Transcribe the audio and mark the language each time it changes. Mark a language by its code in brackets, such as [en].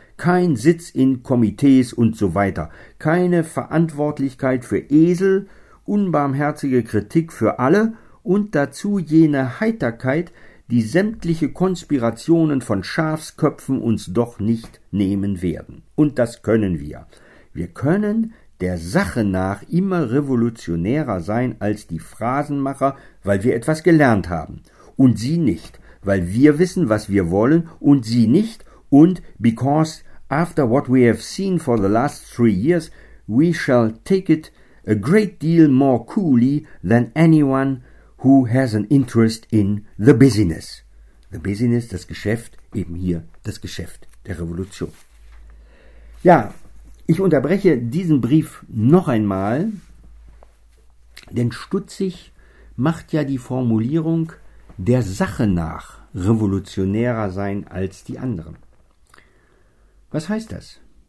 [de] Kein Sitz in Komitees und so weiter. Keine Verantwortlichkeit für Esel, unbarmherzige Kritik für alle und dazu jene Heiterkeit, die sämtliche Konspirationen von Schafsköpfen uns doch nicht nehmen werden. Und das können wir. Wir können der Sache nach immer revolutionärer sein als die Phrasenmacher, weil wir etwas gelernt haben. Und sie nicht, weil wir wissen, was wir wollen, und sie nicht. [en] Und because after what we have seen for the last 3 years, we shall take it a great deal more coolly than anyone who has an interest in the business. The business, [de] das Geschäft, eben hier das Geschäft der Revolution. Ja, ich unterbreche diesen Brief noch einmal, denn stutzig macht ja die Formulierung der Sache nach revolutionärer sein als die anderen. Was heißt das?